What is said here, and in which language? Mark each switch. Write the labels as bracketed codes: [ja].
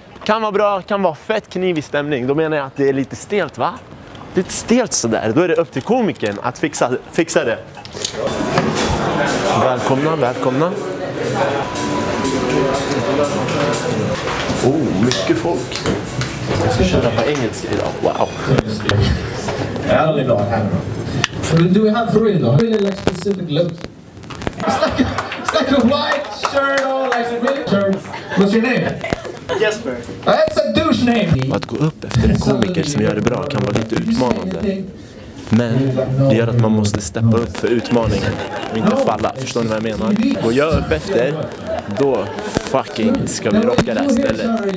[sv] Kan vara bra, kan vara fett knivig stämning. Då menar jag att det är lite stelt, va? Lite stelt sådär. Då är det upp till komikern att fixa det. Välkomna, välkomna. Oh, mycket folk. Jag ska köra på engelska idag. Wow. Är det bra här? [en] Do we have three though? Really like specific looks. It's like a white shirt or like really shirts. What's your name? Jesper. That's a douche name. [sv] Att gå upp efter en komiker som gör det bra kan vara lite utmanande. Men det gör att man måste steppa upp för utmaningen och inte falla, förstår ni vad jag menar? Går jag upp efter, då fucking ska vi rocka det här stället.